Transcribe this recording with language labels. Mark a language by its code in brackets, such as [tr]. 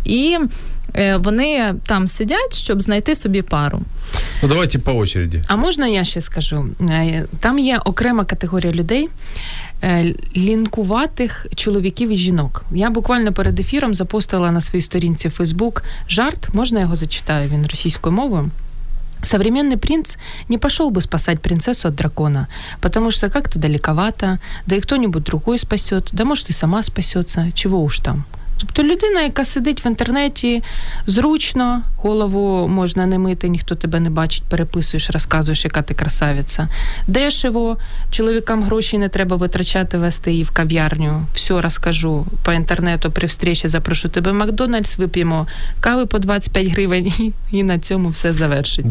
[uk] І вони там сидять, щоб знайти собі пару. Ну, давайте по очереді. А можна я ще скажу? Там є окрема категорія людей, лінкуватих чоловіків і жінок. Я буквально перед ефіром запостила на своїй сторінці Facebook жарт, можна його зачитаю, він російською мовою. [ru] Современный принц не пошел бы спасать принцессу от дракона, потому что как-то далековато, да и кто-нибудь другой спасет, да может и сама спасется, чего уж там. [uk] Тобто людина, яка сидить в інтернеті, зручно, голову можна не мити, ніхто тебе не бачить, переписуєш, розказуєш, яка ти красавиця. Дешево, чоловікам гроші не треба витрачати, вести її в кав'ярню. Все розкажу по інтернету, при встрічі запрошу тебе в Макдональдс, вип'ємо кави по 25 гривень і на цьому все завершиться.